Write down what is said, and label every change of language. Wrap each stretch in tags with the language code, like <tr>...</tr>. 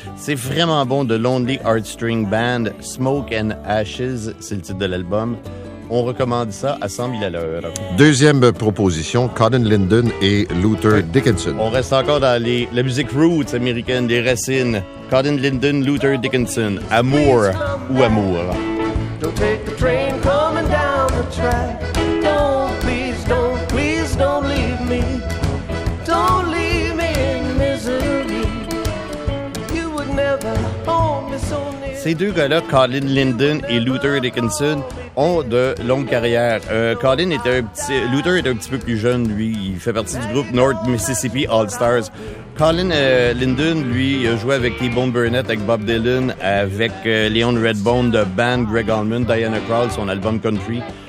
<fr>C'est vraiment bon, The Lonely Heartstring Band, Smoke and Ashes, c'est le titre de l'album. On recommande ça à 100 000 à l'heure. Deuxième proposition, Cotton Linden et Luther Dickinson. On reste encore dans la musique roots américaine, les racines. Cotton Linden, Luther Dickinson, Amour ou Amour.</fr> <en>Don't take the train coming down the track. Don't, please, don't, please, don't leave me. Don't leave me in misery. You would never hold me so near.</en> <fr>Ces deux gars-là, Colin Linden et Luther Dickinson, ont de longues carrières. Luther est un petit peu plus jeune, lui. Il fait partie du groupe North Mississippi All-Stars. Colin Linden, lui, a joué avec T-Bone Burnett, avec Bob Dylan, avec Leon Redbone de Band, Greg Allman, Diana Krall, son album Country.</fr>